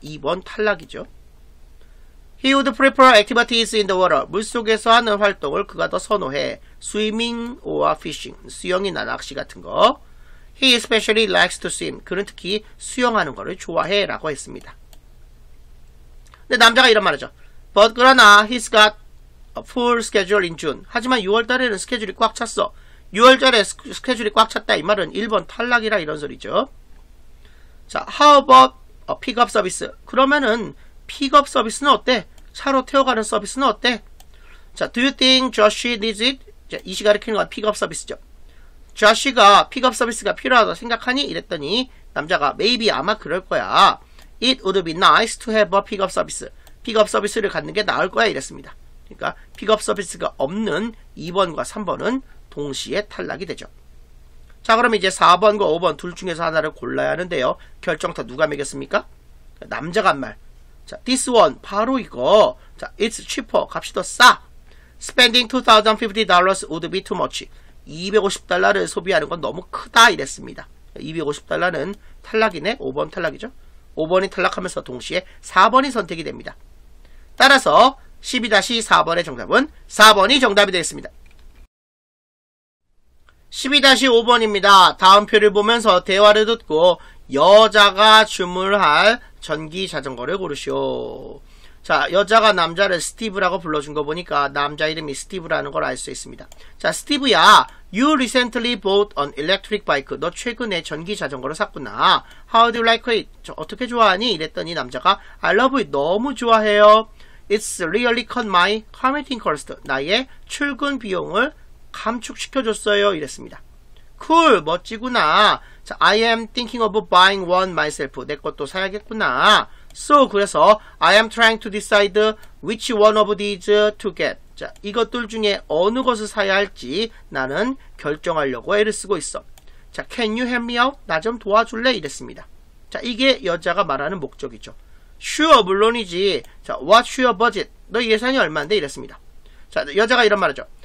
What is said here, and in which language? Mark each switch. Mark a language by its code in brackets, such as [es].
[ko] 2번 탈락이죠. [en] He would prefer activities in the water. [ko] 물 속에서 하는 활동을 그가 더 선호해. [en] Swimming or fishing. [ko] 수영이나 낚시 같은 거. [en] He especially likes to swim. [ko] 그는 특히 수영하는 거를 좋아해. 라고 했습니다. 근데 남자가 이런 말하죠. [en] But [ko] 그러나 [en] he's got a full schedule in June. [ko] 하지만 6월 달에는 스케줄이 꽉 찼어. 6월 달에 스케줄이 꽉 찼다. 이 말은 1번 탈락이라 이런 소리죠. [en] 자, how about a pickup service? [ko] 그러면은 픽업 서비스는 어때? 차로 태워가는 서비스는 어때? [en] 자, do you think Josh needs it? [ko] 자, 이시 가르치는 건 픽업 서비스죠. Josh가 픽업 서비스가 필요하다고 생각하니? 이랬더니 남자가 [en] maybe [ko] 아마 그럴 거야. [en] It would be nice to have a pickup service. [ko] 픽업 서비스를 갖는 게 나을 거야 이랬습니다. 그러니까 픽업 서비스가 없는 2번과 3번은 동시에 탈락이 되죠. 자, 그럼 이제 4번과 5번 둘 중에서 하나를 골라야 하는데요. 결정타 누가 매겼습니까? 남자가 한 말. 자, [en] this one, [ko] 바로 이거. 자, [en] it's cheaper, [ko] 값이 더 싸. [en] Spending $2,050 would be too much. [ko] 250달러를 소비하는 건 너무 크다, 이랬습니다. 250달러는 탈락이네, 5번 탈락이죠. 5번이 탈락하면서 동시에 4번이 선택이 됩니다. 따라서 12-4번의 정답은 4번이 정답이 되겠습니다. 12-5번입니다. 다음 표를 보면서 대화를 듣고 여자가 주문할 전기 자전거를 고르시오. 자, 여자가 남자를 스티브라고 불러준 거 보니까 남자 이름이 스티브라는 걸 알 수 있습니다. [en] 자, 스티브야, you recently bought an electric bike. [ko] 너 최근에 전기 자전거를 샀구나. [en] How do you like it? [ko] 저 어떻게 좋아하니? 이랬더니 남자가 [en] I love it. [ko] 너무 좋아해요. [en] It's really cut my commuting cost. [ko] 나의 출근 비용을 감축시켜줬어요. 이랬습니다. [en] Cool. [ko] 멋지구나. [en] 자, I am thinking of buying one myself. [ko] 내 것도 사야겠구나. [en] So, [ko] 그래서 [en] I am trying to decide which one of these to get. [ko] 자, 이것들 중에 어느 것을 사야 할지 나는 결정하려고 애를 쓰고 있어. [en] 자, can you help me out? [ko] 나 좀 도와줄래? 이랬습니다. 자, 이게 여자가 말하는 목적이죠. [en] Sure, [ko] 물론이지. 자, [en] what's your budget? [ko] 너 예산이 얼마인데? 이랬습니다. 자, 여자가 이런 말하죠.